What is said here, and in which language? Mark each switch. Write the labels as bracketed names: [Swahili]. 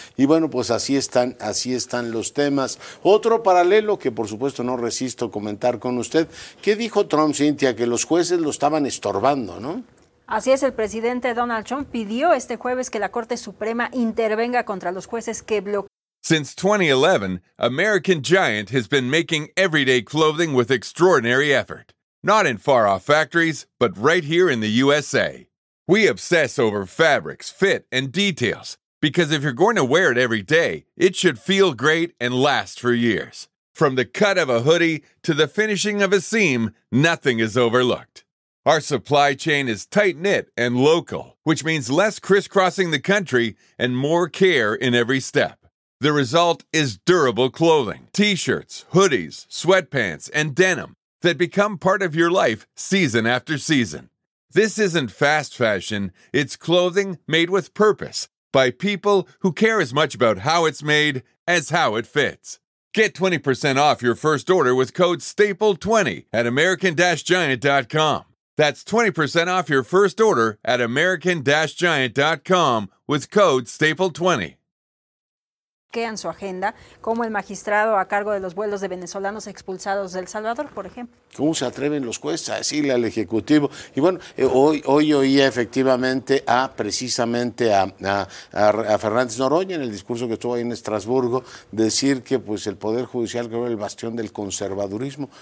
[Spanish] Y bueno, pues así están los temas. Otro paralelo que por supuesto no resisto comentar con usted. ¿Qué dijo Trump, Cintia? Que los jueces lo estaban estorbando, ¿no? Así es, el presidente Donald Trump pidió este jueves que la Corte Suprema intervenga contra los jueces que bloquean. [English] Since 2011, American Giant has been making everyday clothing with extraordinary effort. Not in far-off factories, but right here in the USA. We obsess over fabrics, fit, and details, because if you're going to wear it every day, it should feel great and last for years. From the cut of a hoodie to the finishing of a seam, nothing is overlooked. Our supply chain is tight-knit and local, which means less crisscrossing the country and more care in every step. The result is durable clothing, t-shirts, hoodies, sweatpants, and denim that become part of your life season after season. This isn't fast fashion, it's clothing made with purpose by people who care as much about how it's made as how it fits. Get 20% off your first order with code STAPLE20 at American-Giant.com. That's 20% off your first order at American-Giant.com with code STAPLE20. [Spanish] Bloquean su agenda, como el magistrado a cargo de los vuelos de venezolanos expulsados de El Salvador, por ejemplo. ¿Cómo se atreven los jueces a decirle al Ejecutivo? Y bueno, hoy oí efectivamente a Fernández Noroña en el discurso que estuvo ahí en Estrasburgo decir que pues el Poder Judicial creó el bastión del conservadurismo.